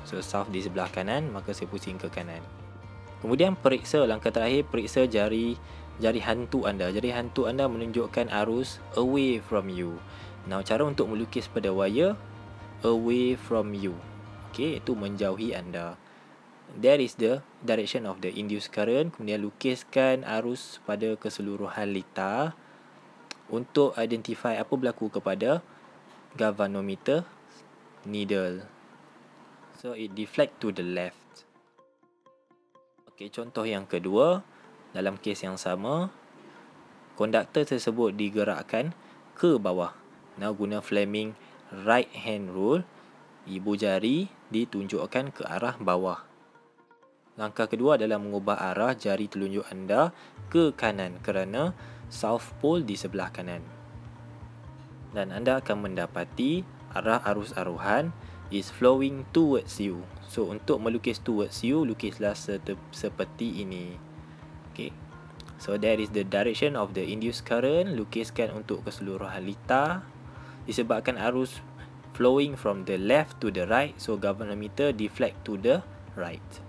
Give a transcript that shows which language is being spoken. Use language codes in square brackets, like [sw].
[ms] So south di sebelah kanan, maka saya pusing ke kanan. Kemudian periksa, langkah terakhir, periksa jari hantu anda. Jari hantu anda menunjukkan arus [en] away from you. [ms] Now, cara untuk melukis pada [en] wire away from you, [ms] okay, itu menjauhi anda. [en] That is the direction of the induced current. [ms] Kemudian lukiskan arus pada keseluruhan litar untuk identify apa berlaku kepada galvanometer needle. [en] So it deflect to the left. Okay, contoh yang kedua. [ms] Dalam kes yang sama, konduktor tersebut digerakkan ke bawah. Now guna Fleming [en] right hand rule, [ms] ibu jari ditunjukkan ke arah bawah. Langkah kedua adalah mengubah arah jari telunjuk anda ke kanan kerana south pole di sebelah kanan. Dan anda akan mendapati arah arus aruhan [en] is flowing towards you. [ms] So untuk melukis [en] towards you, [ms] lukislah seperti ini. [en] Okay, so that is the direction of the induced current. [ms] Lukiskan untuk keseluruhan litar. Disebabkan arus [en] flowing from the left to the right, so galvanometer deflect to the right.